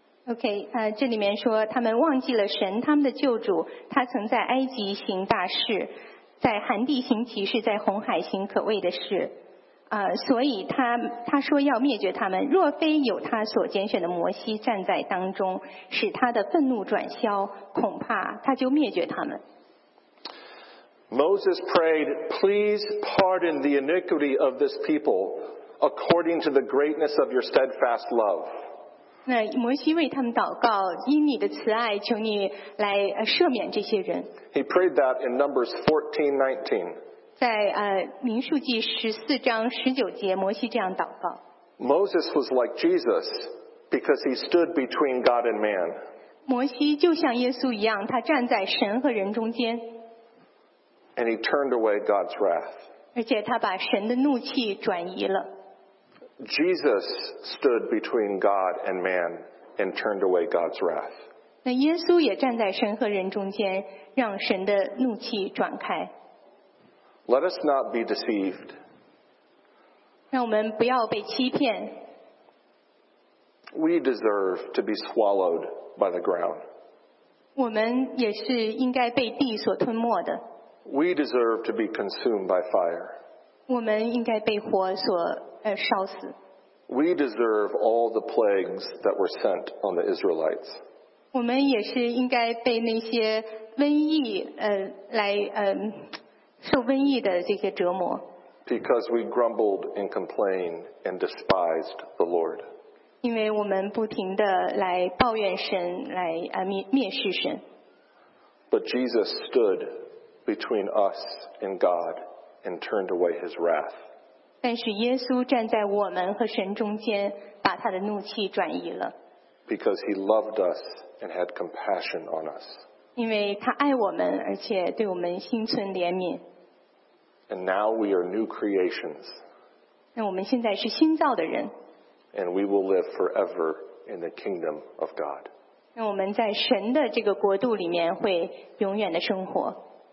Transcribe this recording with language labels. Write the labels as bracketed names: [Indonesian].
[Chinese] Okay, 这里面说他们忘记了神，他们的救主，他曾在埃及行大事，在寒地行奇事，在红海行可畏的事。所以他说要灭绝他们，若非有他所拣选的摩西站在当中，使他的愤怒转消，恐怕他就灭绝他们。 [English] Moses prayed, Please pardon the iniquity of this people according to the greatness of your steadfast love. [Chinese] 那摩西为他们祷告，因你的慈爱，求你来赦免这些人。 [English] He prayed that in Numbers 14:19. [Chinese] 在民数记14章19节，摩西这样祷告。 [English] Moses was like Jesus because he stood between God and man. [Chinese] 摩西就像耶稣一样，他站在神和人中间。 [English] And he turned away God's wrath. [Chinese] 而且他把神的怒气转移了。 [English] Jesus stood between God and man and turned away God's wrath. [Chinese] 那耶稣也站在神和人中间，让神的怒气转开。 [English] Let us not be deceived. [Chinese] 让我们不要被欺骗。 [English] We deserve to be swallowed by the ground. [Chinese] 我们也是应该被地所吞没的。 [English] We deserve to be consumed by fire. [Chinese] 我们应该被火所烧死。 [English] We deserve all the plagues that were sent on the Israelites. [Chinese] 我们也是应该被那些瘟疫来受瘟疫的这些折磨。 [English] Because we grumbled and complained and despised the Lord. [Chinese] 因为我们不停地来抱怨神，来蔑视神。 [English] But Jesus stood. Between us and God, and turned away His wrath. [Chinese] 但是耶稣站在我们和神中间，把他的怒气转移了。 [English] Because He loved us and had compassion on us. [Chinese] 因为他爱我们，而且对我们心存怜悯。 [English] And now we are new creations. [Chinese] 那我们现在是新造的人。 [English] And we will live forever in the kingdom of God. [Chinese] 那我们在神的这个国度里面会永远的生活。